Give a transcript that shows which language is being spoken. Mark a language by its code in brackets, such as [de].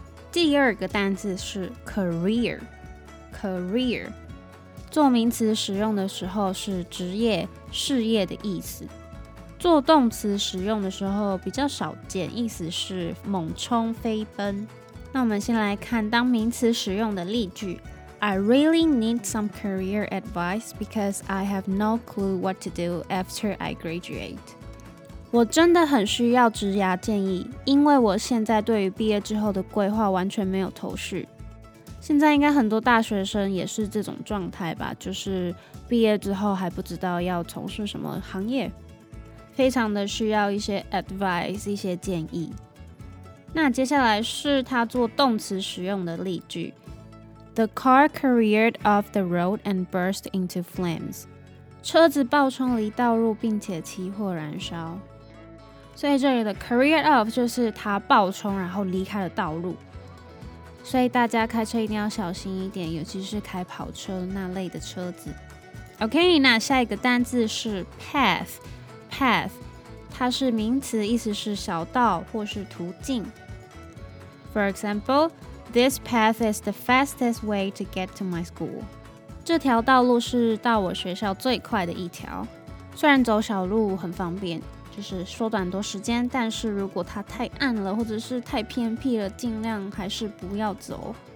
[zh] 第二个单字是 career。career 做名词使用的时候是职业、事业的意思。做动词使用的时候比较少见，意思是猛冲飞奔。那我们先来看当名词使用的例句。 [en] I really need some career advice because I have no clue what to do after I graduate. [zh] 我真的很需要职涯建议，因为我现在对于毕业之后的规划完全没有头绪。现在应该很多大学生也是这种状态吧，就是毕业之后还不知道要从事什么行业，非常的需要一些 advice， 一些建议。那接下来是他做动词使用的例句。 [en] The car careered off the road and burst into flames. [zh] 车子爆冲离道路并且起火燃烧。所以这里的 careered off 就是他爆冲然后离开了道路。所以大家开车一定要小心一点，尤其是开跑车那类的车子。 OK， 那下一个单字是 path。Path， 它是名词，意思是小道或是途径。 [en] For example, this path is the fastest way to get to my school. [zh] 这条道路是到我学校最快的一条。虽然走小路很方便，就是缩短多时间，但是如果它太暗了或者是太偏僻了，尽量还是不要走。